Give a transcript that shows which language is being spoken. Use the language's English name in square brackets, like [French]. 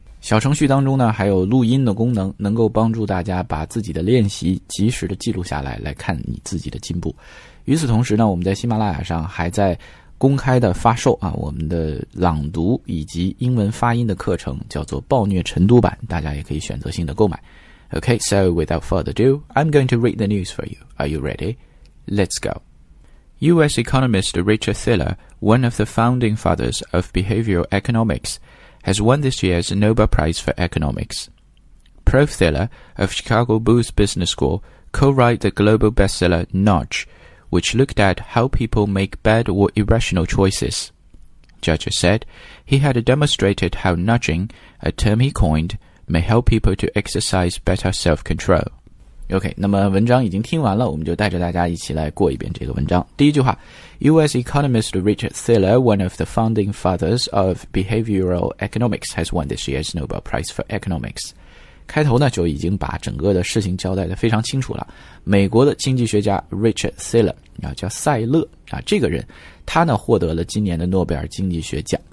[Chinese] 小程序当中呢还有录音的功能，能够帮助大家把自己的练习及时的记录下来，来看你自己的进步。与此同时呢，我们在喜马拉雅上还在公开的发售啊，我们的朗读以及英文发音的课程，叫做暴虐晨读版，大家也可以选择性的购买。 [English] OK, so without further ado, I'm going to read the news for you. Are you ready? Let's go. US economist Richard Thaler, one of the founding fathers of behavioral economics, has won this year's Nobel Prize for Economics. Prof. Thaler of Chicago Booth Business School co-wrote the global bestseller Nudge,which looked at how people make bad or irrational choices. Judges said he had demonstrated how nudging, a term he coined, may help people to exercise better self-control. [Chinese] OK, 那么文章已经听完了，我们就带着大家一起来过一遍这个文章。第一句话， [English] US economist Richard Thaler, one of the founding fathers of behavioral economics, has won this year's Nobel Prize for Economics. [Chinese] 开头呢就已经把整个的事情交代得非常清楚了。美国的经济学家 Richard Thaler 啊，叫塞勒啊，这个人他呢获得了今年的诺贝尔经济学奖。